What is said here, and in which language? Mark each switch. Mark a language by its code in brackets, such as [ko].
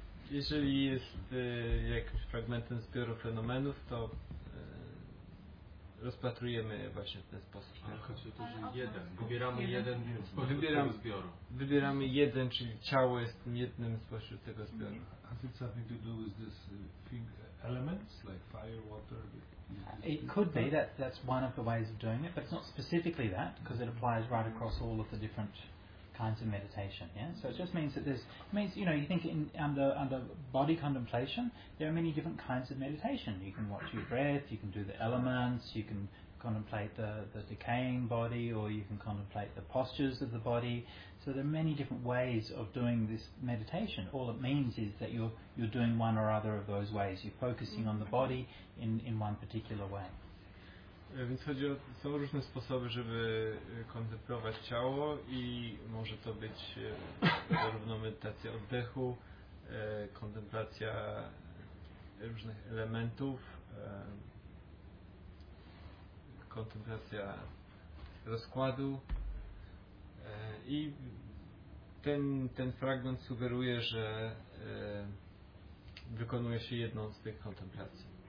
[pl] Jeżeli jest jakimś fragmentem zbioru fenomenów, to rozpatrujemy właśnie w ten sposób. Ale chodzi o to, że jeden. Wybieramy jeden zbiór. Wybieramy jeden, czyli ciało jest jednym spośród tego zbioru. [en] Has it something to do with this thing, elements like fire, water? It could be that that's one of the ways of doing it, but it's not specifically that, because it applies right across all of the different kinds of meditation. Yeah, so it just means that you think in under body contemplation there are many different kinds of meditation. You can watch your breath, you can do the elements, you can contemplate the decaying body, or you can contemplate the postures of the body. So there are many different ways of doing this meditation. All it means is that you're doing one or other of those ways. You're focusing on the body in one particular way. [pl] Więc chodzi o, są różne sposoby, żeby kontemplować ciało i może to być zarówno medytacja oddechu, kontemplacja różnych elementów, kontemplacja rozkładu i ten fragment sugeruje, że wykonuje się jedną z tych kontemplacji.